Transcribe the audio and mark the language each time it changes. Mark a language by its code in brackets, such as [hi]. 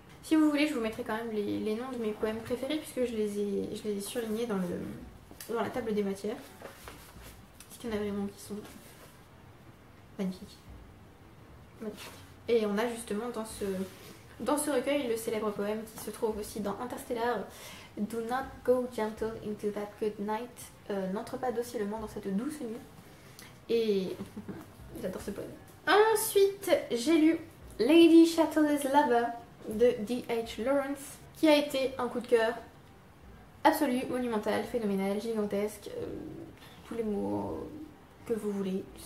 [fr] Si vous voulez, je vous mettrai quand même les noms de mes poèmes préférés puisque je les ai surlignés dans la table des matières. Parce qu'il y en a vraiment qui sont magnifiques. Magnifiques. Et on a justement dans ce recueil le célèbre poème qui se trouve aussi dans Interstellar. [en] Do not go gentle into that good night. [fr] N'entre pas docilement dans cette douce nuit. Et j'adore ce poème. Ensuite, j'ai lu Lady Chatterley's Lover de D.H. Lawrence, qui a été un coup de cœur absolu, monumental, phénoménal, gigantesque, tous les mots que vous voulez.